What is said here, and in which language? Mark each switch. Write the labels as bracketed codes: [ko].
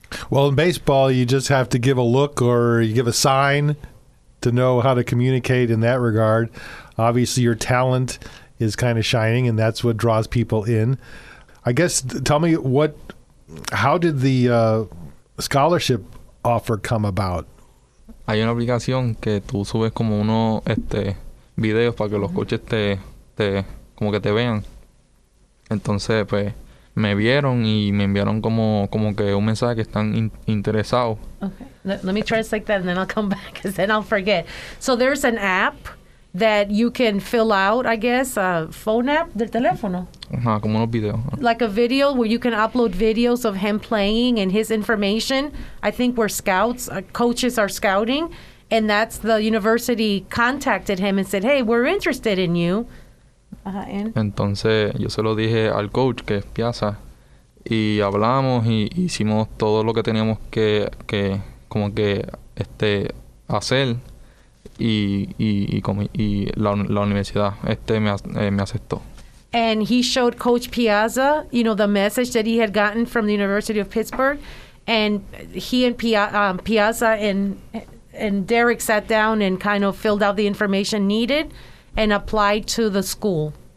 [en] Well, in baseball, you just have to give a look or you give a sign to know how to communicate in that regard. Obviously, your talent is kind of shining, and that's what draws people in. I guess, tell me, how did the scholarship offer come about? [es] Hay una aplicación que tú subes como uno videos para que los coaches te como que te vean. Entonces, pues, me vieron y me enviaron como que un mensaje que están interesados. [en] Okay. Let me translate that and then I'll come back because then I'll forget. So there's an app that you can fill out, I guess, a phone app [es] del teléfono. Uh-huh, como unos videos. [en] Like a video where you can upload videos of him playing and his information. I think where scouts, coaches are scouting. And that's the university contacted him and said, hey, we're interested in you. [es] Entonces, yo se lo dije al coach, que es Piazza, y hablamos y hicimos todo lo que teníamos que hacer, y la universidad me aceptó. [en] And he showed Coach Piazza, you know, the message that he had gotten from the University of Pittsburgh, and he and Piazza and Derek sat down and kind of filled out the information needed and applied to the school.